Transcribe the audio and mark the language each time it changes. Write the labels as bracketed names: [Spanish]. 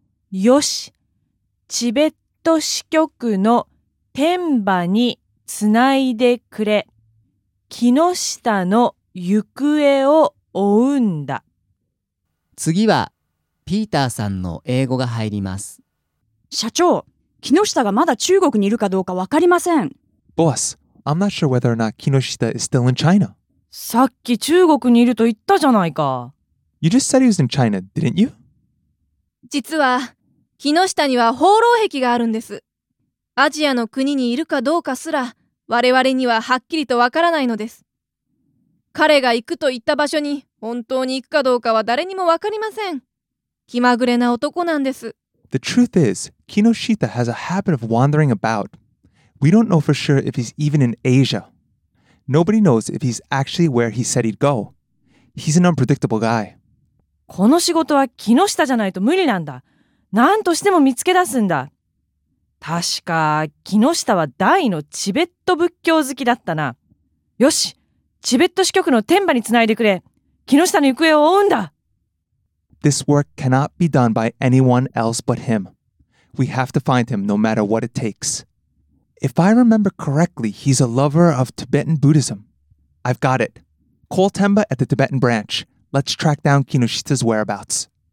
[Japanese] よし、チベット支局の天馬につないでくれ。木下の行方を追うんだ。次はピーターさんの英語が入ります。社長、木下がまだ中国にいるかどうか分かりません。 [English] Boss, I'm not sure whether or not 木下 is still in China. [Japanese] さっき中国にいると言ったじゃないか。 [English] You just said he was in China, didn't you? [Japanese] 実は木下には放浪癖があるんです。アジアの国にいるかどうかすら我々にははっきりとわからないのです。彼が行くと言った場所に本当に行くかどうかは誰にもわかりません。気まぐれな男なんです。 [English] The truth is, Kinoshita has a habit of wandering about. We don't know for sure if he's even in Asia. Nobody knows if he's actually where he said he'd go. He's an unpredictable guy. [Japanese] この仕事は木下じゃないと無理なんだ。何としても見つけ出すんだ。確か木下は大のチベット仏教好きだったな。よし、チベット支局の天馬につないでくれ。木下の行方を追うんだ。 [English] This work cannot be done by anyone else but him. We have to find him no matter what it takes. If I remember correctly, he's a lover of Tibetan Buddhism. I've got it. Call Temba at the Tibetan branch. Let's track down Kinoshita's whereabouts.